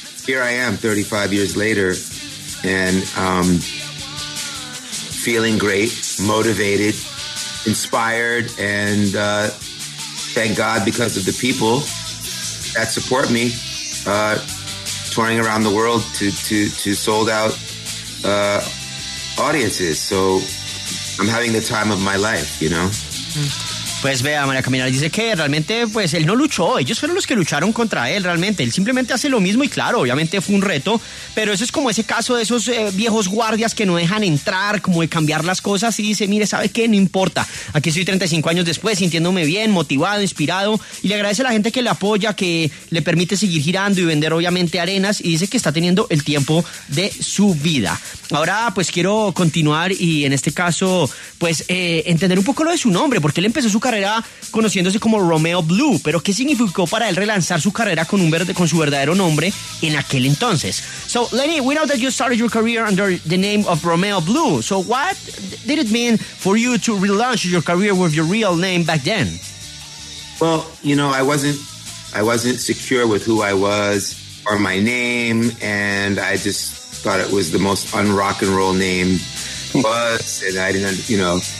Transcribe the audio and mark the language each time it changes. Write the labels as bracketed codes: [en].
[en] here I am 35 years later and feeling great, motivated, inspired, and thank God because of the people that support me touring around the world to sold out audiences. So I'm having the time of my life, you know? [es] Pues vea, María Camila dice que realmente pues él no luchó, ellos fueron los que lucharon contra él realmente, él simplemente hace lo mismo y claro, obviamente fue un reto, pero eso es como ese caso de esos viejos guardias que no dejan entrar, como de cambiar las cosas y dice, mire, ¿sabe qué? No importa, aquí estoy 35 años después sintiéndome bien, motivado, inspirado, y le agradece a la gente que le apoya, que le permite seguir girando y vender obviamente arenas, y dice que está teniendo el tiempo de su vida. Ahora pues quiero continuar y en este caso pues entender un poco lo de su nombre, porque él empezó su carrera conociéndose como Romeo Blue, pero ¿qué significó para él relanzar su carrera con un verde, con su verdadero nombre en aquel entonces? [en] So Lenny, we know that you started your career under the name of Romeo Blue. So what did it mean for you to relaunch your career with your real name back then? Well, you know, I wasn't secure with who I was or my name, and I just thought it was the most un-rock and roll name was, and I didn't, you know.